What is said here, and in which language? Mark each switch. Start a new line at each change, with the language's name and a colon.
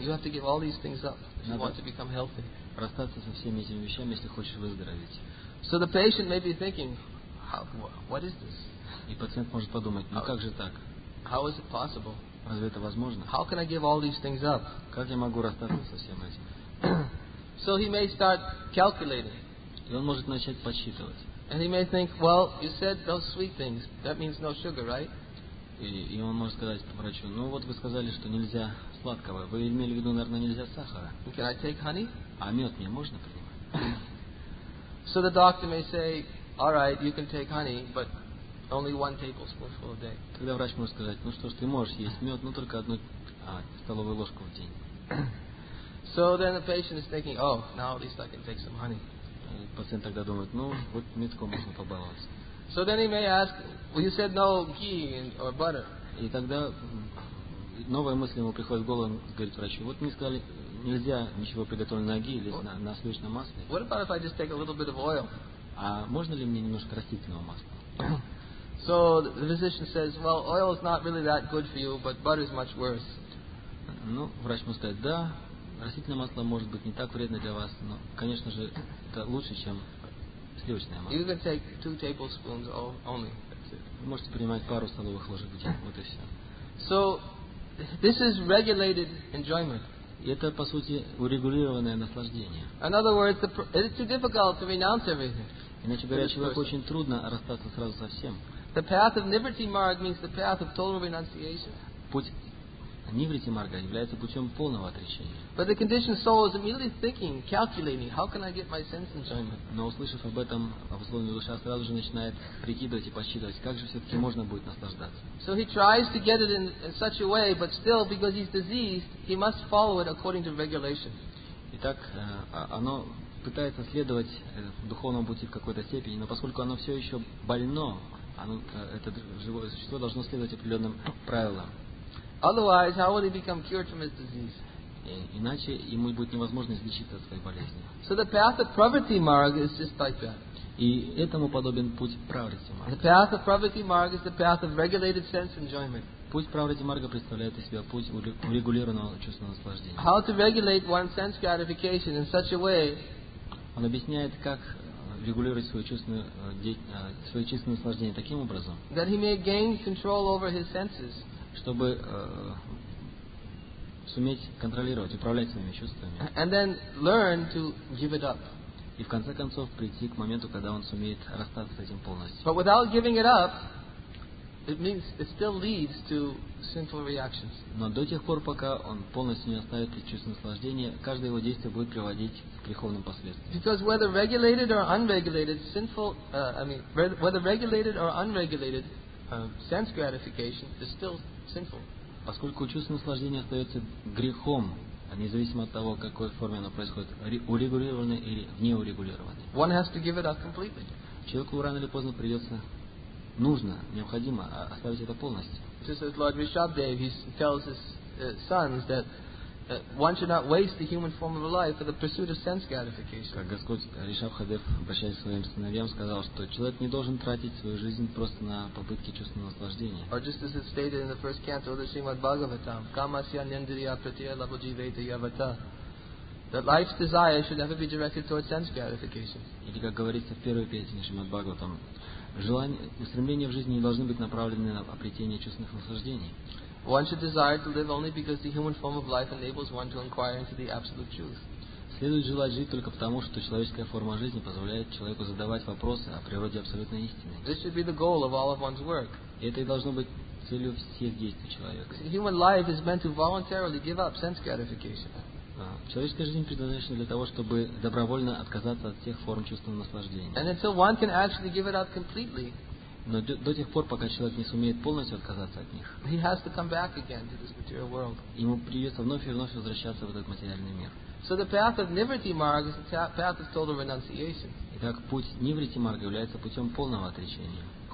English: You have to give all these things up if you want to become healthy.
Russian: Расстаться со всеми этими вещами, если хочешь выздороветь.
English: So the patient may be thinking, what is this?
Russian: И пациент может подумать: ну как же так?
English: How is it possible?
Russian: Разве это возможно?
English: How can I give all these things up?
Russian: Как я могу расстаться со всем этим?
English: So he may start calculating.
Russian: И он может начать подсчитывать.
English: And he may think, well, you said those sweet things. That means no sugar, right?
Russian: И он может сказать врачу: ну вот вы сказали, что нельзя сладкого. Вы имели в виду, наверное, нельзя сахара.
English: Can I take honey?
Russian: А мед мне можно принимать?
English: So the doctor may say, all right, you can take honey, but only one tablespoonful a day.
Russian: Тогда врач может сказать: ну что ж, ты можешь есть мед, но только одну столовую ложку в день.
English: So then the patient is thinking, oh, now at least I can take some honey.
Russian: Пациент тогда думает: ну, вот медком можно побаловаться.
English: So then he may ask, well, you said no ghee or butter.
Russian: И тогда новая мысль ему приходит в голову, говорит врачу: вот мне сказали, нельзя ничего приготовленного на ги или на сливочном масле.
English: What about if I just take a little bit of oil?
Russian: А можно ли мне немножко растительного масла?
English: So the physician says, well, oil is not really that good for you, but butter is much worse.
Russian: Ну, врач ему скажет: да, растительное масло может быть не так вредно для вас, но, конечно же, это лучше, чем сливочное масло.
English: You can take two tablespoons only.
Russian: Вы можете принимать пару столовых ложек в день, вот и все.
English: So, this is regulated enjoyment.
Russian: И это, по сути, урегулированное наслаждение.
English: In other words, it's too difficult to renounce everything.
Russian: Иначе говоря, человеку очень трудно расстаться сразу со всем.
English: The path of Nivriti Marga means the path of total renunciation.
Russian: Nivriti Marga является путем полного отречения.
English: But the conditioned soul is immediately thinking, calculating, how can I get my sense enjoyment?
Russian: Но услышав об этом, обусловленная душа сразу же начинает прикидывать и подсчитывать, как же все-таки можно будет наслаждаться.
English: So he tries to get it in such a way, but still, because he's diseased, he must follow it according to regulation.
Russian: Итак, оно пытается следовать духовному пути в какой-то степени, но поскольку оно все еще больно, это живое существо должно следовать определенным правилам.
English: Otherwise, how would he become cured from his disease?
Russian: Иначе ему будет невозможно излечиться от своей болезни.
English: So the path of poverty marg is just like that.
Russian: И этому подобен путь Pravriti Marga.
English: The path of poverty marg is the path of regulated sense enjoyment.
Russian: Путь Pravriti Marga представляет из себя путь урегулированного чувственного наслаждения.
English: How to regulate one's sense gratification in such a way?
Russian: Он объясняет, как регулировать свое чувственное наслаждение таким образом,
English: that he may gain control over his senses.
Russian: Чтобы суметь контролировать, управлять своими чувствами.
English: And then learn to give it up.
Russian: И в конце концов прийти к моменту, когда он сумеет расстаться с этим полностью.
English: But without giving it up, It means it still leads to sinful reactions.
Russian: Но до тех пор, пока он полностью не оставит чувство наслаждения, каждое его действие будет приводить к греховным последствиям.
English: Because whether regulated or unregulated, sinful, whether regulated or unregulated, sense gratification is still sinful.
Russian: Поскольку чувство наслаждения остается грехом, независимо от того, в какой форме оно происходит, урегулированное или неурегулированное.
English: One has to give it up completely.
Russian: Человеку рано или поздно придется, нужно, необходимо оставить это полностью.
English: Just as Lord Rishabhdev, he tells his sons that one should not waste the human form of life for the pursuit of sense gratification.
Russian: Как Господь Ришабхадев, обращаясь к своим сыновьям, сказал, что человек не должен тратить свою жизнь просто на попытки чувственного наслаждения.
English: Or just as it's stated in the first canto of the Srimad Bhagavatam,
Sanskrit: Kamasya Nyandriya Pratiya Labhujiveta Yavata,
English: that life's desire should never be directed towards sense gratification.
Russian: Или как говорится в первой песне Шримад Бхагаватам, желание, устремления в жизни не должны быть направлены на обретение чувственных наслаждений.
English: One should desire to live only because the human form of life enables one to inquire into the absolute truth.
Russian: Следует желать жить только потому, что человеческая форма жизни позволяет человеку задавать вопросы о природе абсолютной истины.
English: This should be the goal of all of one's work.
Russian: Это и должно быть целью всех действий человека.
English: Human life is meant to voluntarily give up sense gratification.
Russian: Человеческая жизнь предназначена для того, чтобы добровольно отказаться от всех форм чувственного наслаждения.
English: And until one can actually give it up completely.
Russian: Но до тех пор, пока человек не сумеет полностью отказаться от них, ему придется вновь и вновь возвращаться в этот материальный мир. Итак, путь Нивритти Марга является путем полного отречения.